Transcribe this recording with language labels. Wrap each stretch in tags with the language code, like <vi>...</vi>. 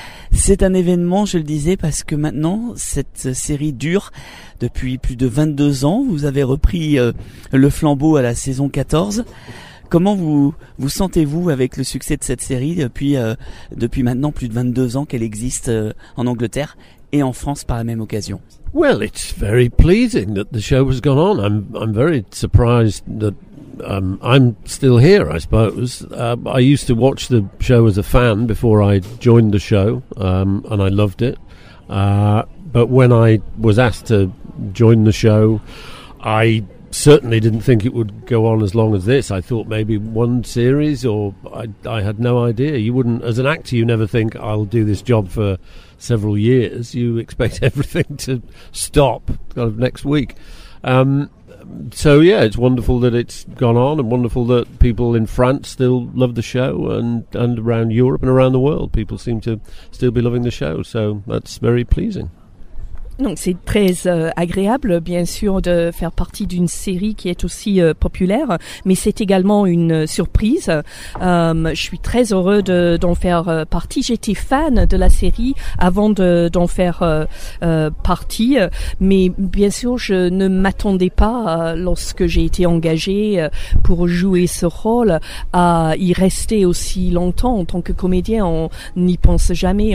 <fr>C'est un événement, je le disais, parce que maintenant, cette série dure depuis plus de 22 ans. Vous avez repris le flambeau à la saison 14. Comment vous sentez-vous avec le succès de cette série depuis maintenant plus de 22 ans qu'elle existe en Angleterre et en France par la même occasion?</fr> <en>Well, it's very pleasing that the show has gone on. I'm very surprised that I'm still here, I suppose. I used to watch the show as a fan before I joined the show, and I loved it. But when I was asked to join the show, I certainly didn't think it would go on as long as this. I thought maybe one series, or I had no idea. You wouldn't, as an actor, you never think I'll do this job for several years. You expect everything to stop kind of next week. So yeah, it's wonderful that it's gone on, and wonderful that people in France still love the show, and around Europe and around the world, people seem to still be loving the show. So that's very pleasing.</en> <fr>Donc c'est très agréable, bien sûr, de faire partie d'une série qui est aussi populaire, mais c'est également une surprise. Je suis très heureux d'en faire partie. J'étais fan de la série avant d'en faire partie, mais bien sûr, je ne m'attendais pas, lorsque j'ai été engagée pour jouer ce rôle, à y rester aussi longtemps. En tant que comédien, on n'y pense jamais.</fr>